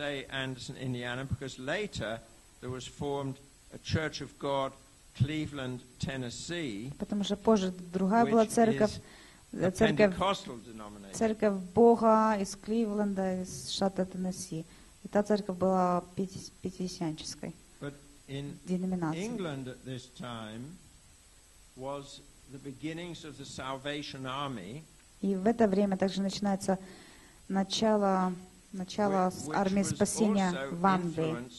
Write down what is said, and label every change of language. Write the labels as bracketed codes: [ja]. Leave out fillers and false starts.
[en] Anderson, Indiana, because later there was formed a Church of God, Cleveland, Tennessee. [ru] Потому что позже другая была церковь Бога из Кливленда, из штата Теннесси. И та церковь была пятидесятнической. [en] But in England at this time was the beginnings of the Salvation Army. [ru] И в это время также начинается начало армии спасения в Англии.